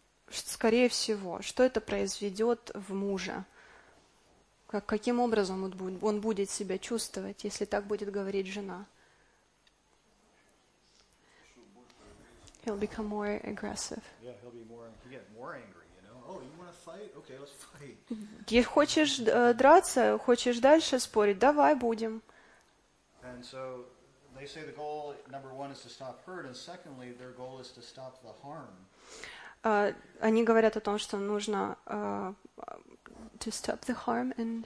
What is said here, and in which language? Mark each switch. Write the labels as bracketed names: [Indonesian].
[Russian] Скорее всего, что это произведет в муже? Каким образом он будет себя чувствовать, если так будет говорить жена? [English] He'll become more aggressive. Yeah, he'll be more. He get more angry, you know. Oh, you want to fight? Okay, let's fight. [Russian] Где хочешь драться, хочешь дальше спорить? Давай будем. [English] And so they say the goal number one is to stop hurt, and secondly, their goal is to stop the harm. [Russian] Они говорят о том, что нужно [English] to stop the harm and